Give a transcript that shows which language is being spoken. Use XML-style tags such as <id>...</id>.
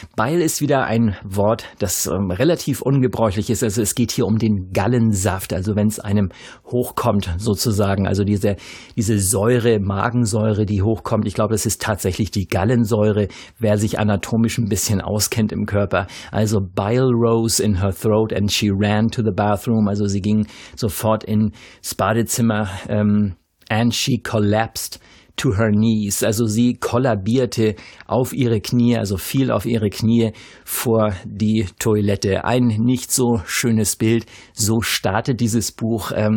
<de>Bile ist wieder ein Wort, das relativ ungebräuchlich ist. Also es geht hier um den Gallensaft, also wenn es einem hochkommt sozusagen. Also diese Säure, Magensäure, die hochkommt. Ich glaube, das ist tatsächlich die Gallensäure, wer sich anatomisch ein bisschen auskennt im Körper.</de> <en>Also bile rose in her throat and she ran to the bathroom.</en> <de>Also sie ging sofort ins Badezimmer</de> <en>and she collapsed to her knees,</en> <de>also sie kollabierte auf ihre Knie, also fiel auf ihre Knie vor die Toilette. Ein nicht so schönes Bild. So startet dieses Buch.</de>